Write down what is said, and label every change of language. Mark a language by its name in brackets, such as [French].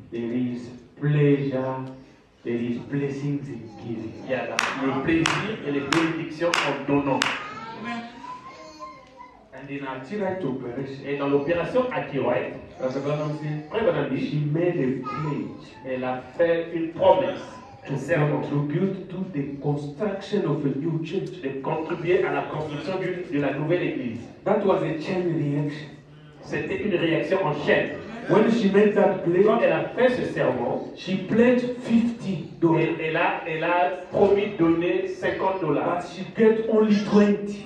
[English] there is pleasure, there is blessings in giving. [French] Il y a le plaisir et les bénédictions en donnant. [English] And in Atiraite operation, [French] et dans l'opération Atiraite, [English] as a brother said, [French] frère dit, [English] she made a pledge. [French] Elle a fait une promesse. [English] To contribute to the construction of a new church. [French] De contribuer à la construction de la nouvelle église. [English] That was a chain reaction. [French] C'était une réaction en chaîne. [English] When she made that pledge, [French] quand elle a fait ce serment, [English] she pledged $50. [French] Elle a promis de donner $50. [English] But she got only 20.